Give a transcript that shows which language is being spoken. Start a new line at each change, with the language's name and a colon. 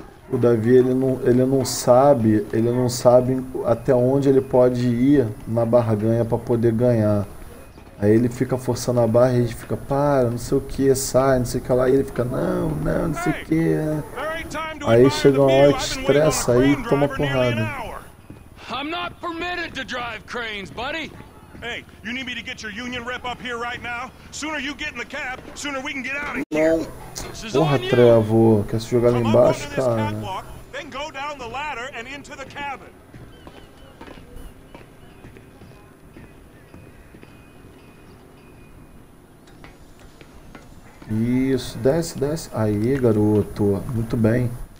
Portuguese: O Davi, ele não sabe até onde ele pode ir na barganha para poder ganhar. Aí ele fica forçando a barra e ele fica, para, não sei o que, sai, não sei o que lá. E ele fica, não, não sei o que. Aí chega uma hora que estressa aí e toma porrada.
English: I'm not permitted to drive cranes, buddy. Hey, you need me to get your union rep up here right now? Sooner you get in the cab, sooner we can get out of here.
Portuguese: Porra, Trevo, quer se jogar lá embaixo, cara?
English: Then go down the ladder and into the cabin.
Portuguese: Isso, desce. Aí, garoto, muito bem.